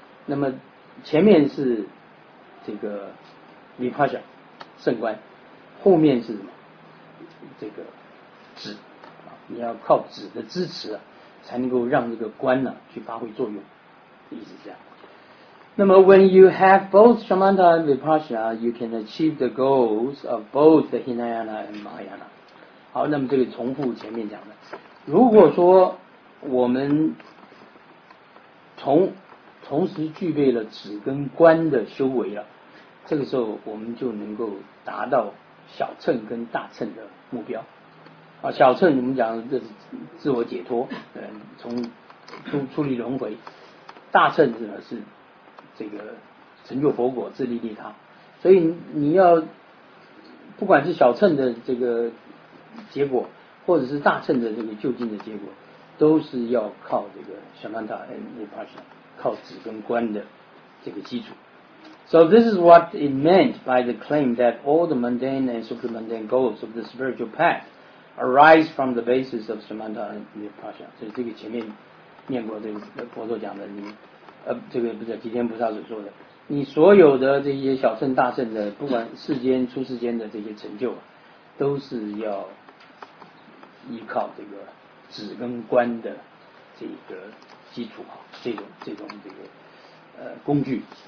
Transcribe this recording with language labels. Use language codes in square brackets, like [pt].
[zh] 那么前面是这个 Vipassana 圣观，后面是什么？这个止啊，你要靠止的支持啊，才能够让这个观呢、啊、去发挥作用，意思是这样。 [en] 那么 ，when you have both samatha and vipassana， you can achieve the goals of both the hinayana and mahayana。 [zh] 好，那么这个重复前面讲的，如果说我们同时具备了止跟观的修为了，这个时候我们就能够达到小乘跟大乘的目标。啊，小乘我们讲的这是自我解脱，从出离轮回；大乘是这个成就佛果，自利利他。所以你要不管是小乘的这个结果，或者是大乘的这个究竟的结果，都是要靠这个 [en] Samatha and Vipassana， [zh] 靠止跟观的这个基础。 [en] So this is what it meant by the claim that all the mundane and supramundane goals of the spiritual path arise from the basis of Samatha and Vipassana。 [zh] 所以这个前面念过，这个佛陀讲的，你这个不是吉天菩萨所说的，你所有的这些小乘大乘的，不管世间出世间的这些成就，都是要依靠这个止跟观的这个基础啊，这种这个工具。